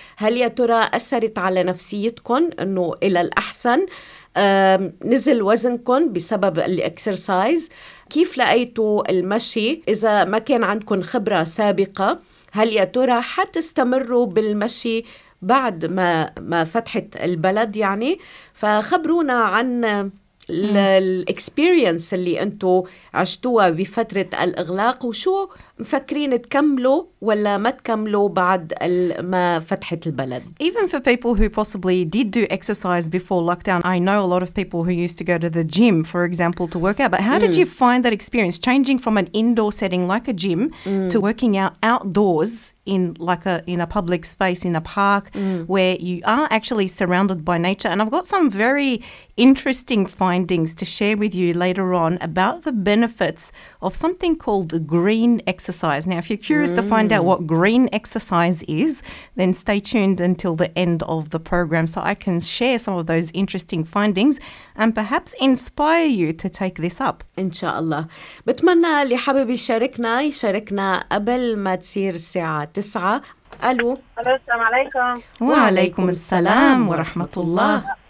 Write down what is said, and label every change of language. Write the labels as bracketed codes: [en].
[ar] هل يا ترى أثرت على نفسيتكم أنه إلى الأحسن؟ نزل وزنكم بسبب الاكسرسايز؟ كيف لقيتوا المشي إذا ما كان عندكم خبرة سابقة؟ هل يا ترى حتستمروا بالمشي بعد ما فتحت البلد يعني؟ فخبرونا عن الاكسبيرينس اللي انتو عشتوها بفترة الإغلاق وشو مفكرين تكملوا ولا ما تكملوا بعد ما فتحت البلد. [en] Even for people who possibly did do exercise before lockdown, I know a lot of people who used to go to the gym, for example, to work out. But how did you find that experience changing from an indoor setting like a gym to working out outdoors in like a in a public space in a park where you are actually surrounded by nature? And I've got some very interesting findings to share with you later on about the benefits of something called green exercise. Now, if you're curious to find out what green exercise is, then stay tuned until the end of the program so I can share some of those interesting findings and perhaps inspire you to take this up. Inshallah. [ar] بتمنى اللي حابب يشاركنا يشاركنا قبل ما تصير الساعة 9. ألو. السلام عليكم. وعليكم السلام ورحمة الله.